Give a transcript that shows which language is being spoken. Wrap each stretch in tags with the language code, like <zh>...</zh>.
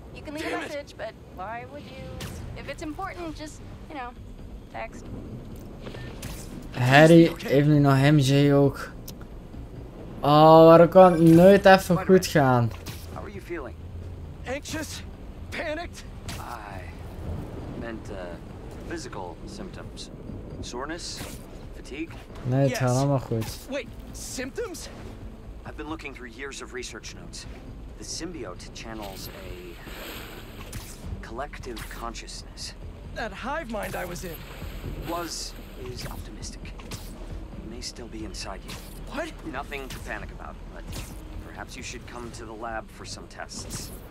<en>You can leave a message, but why would you? If it's important, just, you know, text.</en> <nl>Harry heeft nu nog MJ ook. Oh, waarom kan het nooit even goed gaan?</nl> <en>How are you feeling? Anxious? Panicked? I meant physical symptoms. Soreness? Fatigue?</en> <nl>Nee, het gaat allemaal goed.</nl> <en>Wait, symptoms? I've been looking through years of research notes. The symbiote channels a collective consciousness. That hive mind I was in. Was optimistic. It may still be inside you. What? Nothing to panic about, but perhaps you should come to the lab for some tests.</en>